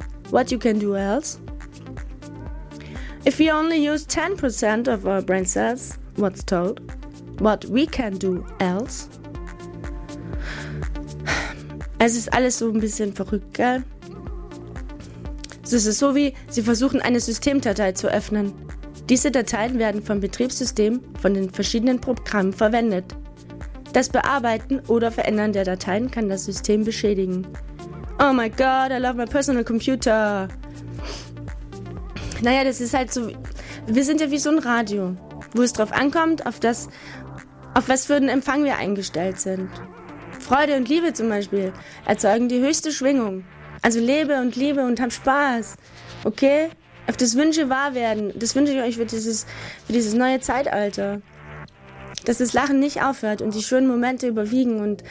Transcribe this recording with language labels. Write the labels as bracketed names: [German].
[English] What you can do else? If we only use 10% of our brain cells, what's told? What we can do else? [German] Es ist alles so ein bisschen verrückt, gell? Es ist so, wie sie versuchen, eine Systemdatei zu öffnen. Diese Dateien werden vom Betriebssystem von den verschiedenen Programmen verwendet. Das Bearbeiten oder Verändern der Dateien kann das System beschädigen. [English] Oh my God, I love my personal computer. [German] Naja, das ist halt so, wir sind ja wie so ein Radio, wo es drauf ankommt, auf was für einen Empfang wir eingestellt sind. Freude und Liebe zum Beispiel erzeugen die höchste Schwingung. Also lebe und liebe und hab Spaß, okay? Auf das Wünsche wahr werden, das wünsche ich euch für dieses neue Zeitalter. Dass das Lachen nicht aufhört und die schönen Momente überwiegen